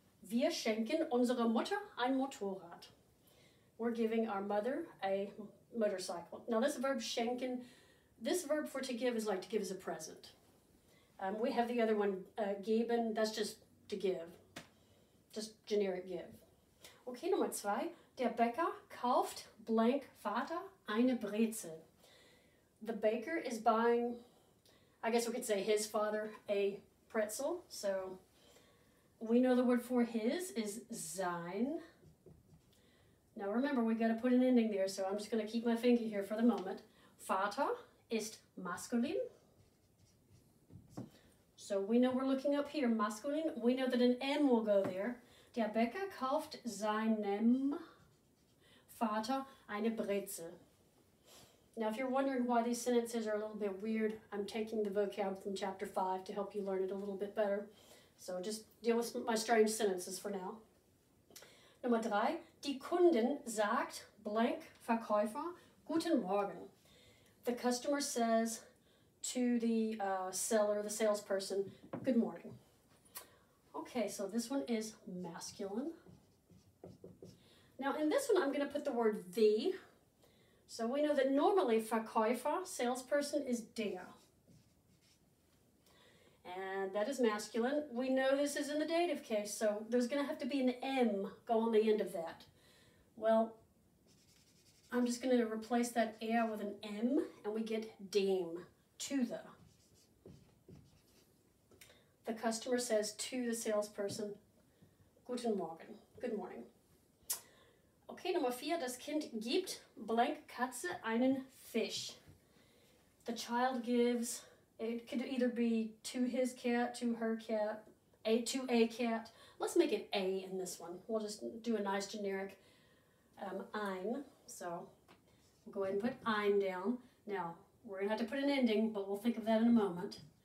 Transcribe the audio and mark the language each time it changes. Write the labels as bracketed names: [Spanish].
[German] Wir schenken unsere Mutter ein Motorrad. [English] We're giving our mother a motorcycle. Now this verb schenken, this verb for to give is like to give as a present. We have the other one, geben, that's just to give, just generic give. Okay, number [German] zwei, der Bäcker kauft blank Vater eine Brezel. [English] The baker is buying, I guess we could say his father, a pretzel. So we know the word for his is sein. Now remember, we've got to put an ending there, so I'm just going to keep my finger here for the moment. [German] Vater ist maskulin. [English] So we know we're looking up here, masculine. We know that an M will go there. [German] Der Bäcker kauft seinem Vater eine Brezel. [English] Now, if you're wondering why these sentences are a little bit weird, I'm taking the vocab from chapter 5 to help you learn it a little bit better. So just deal with my strange sentences for now. Number 3, [German] die Kundin sagt blank Verkäufer guten Morgen. [English] The customer says to the seller, the salesperson, good morning. Okay, so this one is masculine. Now in this one, I'm gonna put the word the. So we know that normally Verkäufer, salesperson, is der. And that is masculine. We know this is in the dative case, so there's gonna have to be an M go on the end of that. Well, I'm just gonna replace that er with an M and we get dem. To the customer says to the salesperson, [German] Guten Morgen, [English] good morning. Okay, number 4, [German] das Kind gibt blank Katze einen Fisch. [English] The child gives, it could either be to his cat, to her cat, to a cat. Let's make it a in this one. We'll just do a nice generic ein. So we'll go ahead and put ein down. Now, we're going to have to put an ending, but we'll think of that in a moment.